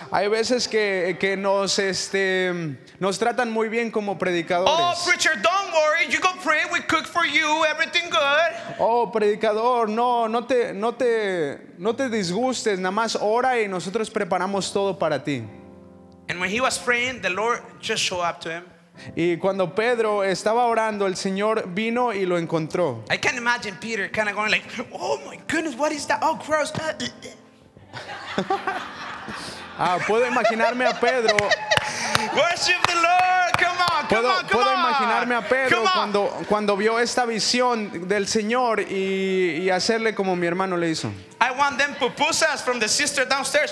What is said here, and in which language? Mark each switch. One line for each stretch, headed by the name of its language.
Spanish: Hay veces que nos tratan muy bien como predicadores.
English: Oh, preacher, don't worry. You go pray. We cook for you. Everything good.
Spanish: Oh, predicador, no te disgustes. Nada más ora y nosotros preparamos todo para ti.
English: And when he was praying, the Lord just showed up to him.
Spanish: Y cuando Pedro estaba orando, el Señor vino y lo encontró.
English: I can imagine Peter kind of going like, "Oh my goodness, what is that? Oh, gross."
Spanish: puedo imaginarme a Pedro.
English: Worship the Lord. Come on.
Spanish: Imaginarme a Pedro cuando vio esta visión del Señor y hacerle como mi hermano le hizo.
English: I want them pupusas from the sister downstairs.